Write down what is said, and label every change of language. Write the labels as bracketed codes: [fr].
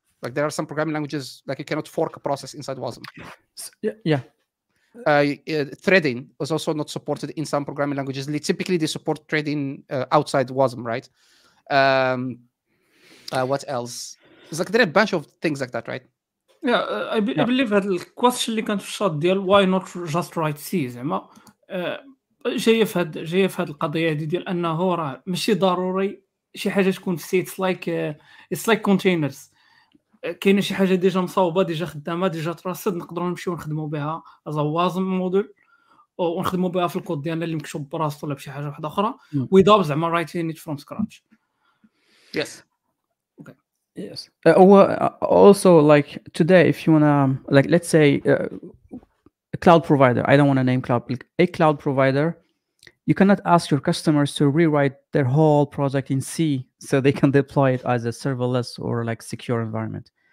[en] Like there are some programming languages like you cannot fork a process inside WASM. Yeah. Threading was also not supported in some programming languages. Typically, they support threading outside WASM, right? What else? It's like there are a bunch of things like that, right? Yeah, I believe that the question [ar] اللي كانت في الشات ديال [en] why not just write C [ar] زعما جايه في هاد القضيه هذه ديال انه راه ماشي ضروري شي حاجه تكون في سي. [en] It's like containers. [ar] كاينه شي حاجه ديجا مصاوبه ديجا خدامه ديجا تراصد نقدروا نمشيو نخدموا بها [en] as a wasm module [ar] ونخدموا بها في الكود ديالنا اللي مكتوب براسو ولا بشي حاجه واحده اخرى without زعما [en] writing it from scratch. Yes. Yes. Also, like today, if you wanna, like, let's say a cloud provider. I don't wanna name cloud. A cloud provider. You cannot ask your customers to rewrite their whole project in C so they can deploy it as a serverless or like secure environment.